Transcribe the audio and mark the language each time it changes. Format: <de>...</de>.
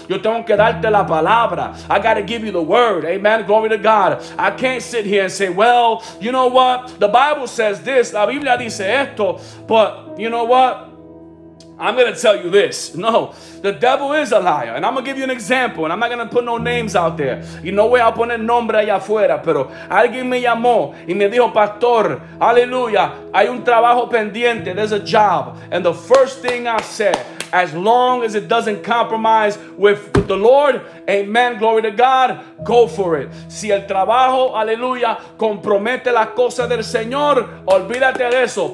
<es>Yo tengo que darte la palabra.</es> <en>I got to give you the word, amen, glory to God. I can't sit here and say, well, you know what, the Bible says this,</en> <es>la Biblia dice esto,</es> <en>but you know what, I'm going to tell you this. No, the devil is a liar. And I'm going to give you an example. And I'm not going to put no names out there.</en> <es>Y no voy a poner nombre allá afuera. Pero alguien me llamó y me dijo, Pastor, aleluya, hay un trabajo pendiente.</es> <en>There's a job. And the first thing I said, as long as it doesn't compromise with the Lord, amen, glory to God, go for it.</en> <es>Si el trabajo, aleluya, compromete las cosas del Señor, olvídate de eso.</es>